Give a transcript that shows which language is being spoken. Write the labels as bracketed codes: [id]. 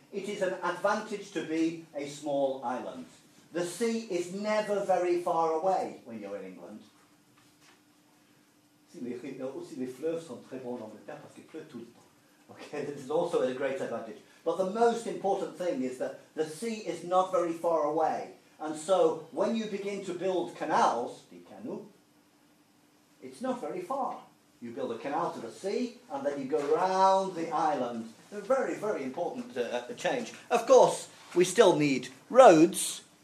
[en] It is an advantage to be a small island. The sea is never very far away when you're in England. [fr] Aussi les fleuves sont très bons en Angleterre parce qu'il pleut tout le temps. [en] Okay, this is also a great advantage. But the most important thing is that the sea is not very far away. And so when you begin to build canals, [fr] des canaux, [en] it's not very far. You build a canal to the sea and then you go around the island. A very, very important change. Of course, we still need roads.